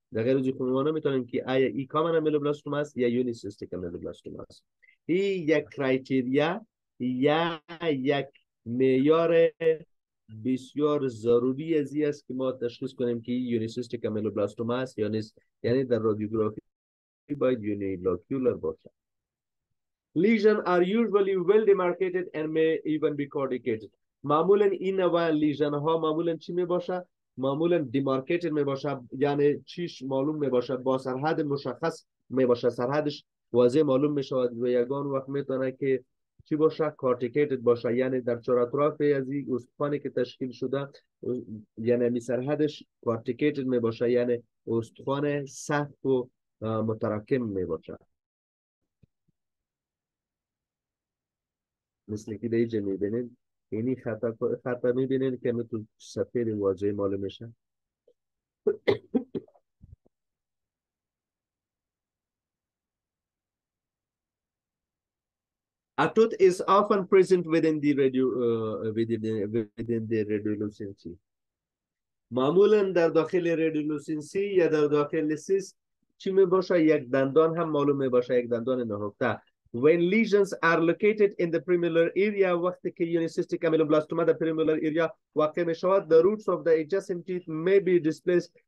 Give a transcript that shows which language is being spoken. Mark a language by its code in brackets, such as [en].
[fa] در غیر از این عنوان میتونیم که آیا ای کامن امیلوبلاستوما است یا یونیسیستیک امیلوبلاستوما است. ای یک کرایتریا یا یک معیار بسیار ضروری از این است که ما تشخیص کنیم که یونیسیستیک امیلوبلاستوما است یا نیست. یعنی در رادیوگرافی باید یونیلوکیولر باشد. [en] Lesions are usually well demarcated and may even be caudicated. [fa] معمولا این نوع لیژن ها معمولا چی می باشه؟ معمولا demarcated می باشه، یعنی چیش معلوم می باشه، با سرحد مشخص می باشه، سرحدش واضح معلوم می شود و یکان وقت می تونه که چی باشه؟ کارتیکیتد باشه، یعنی در چهار اطراف از این استخوانی که تشکیل شده، یعنی می سرحدش کارتیکیتد می باشه، یعنی استخوان سخت و متراکم می باشه. مثل که در اینجا می بینید، اینی خطا می بینید که می تو سفیر واجه معلوم می شه. [en] A tooth is often present within the radio within the radiolucency. [fa] معمولاً در داخل radiolucency یا در داخل سیس چی می باشه؟ یک دندان هم معلوم می باشه، یک دندان نهفته. [en] When lesions are located in the premolar area, [fa] وقتی که unicystic ameloblastoma در premolar area واقع می شود, [en] the roots of the adjacent teeth may be displaced.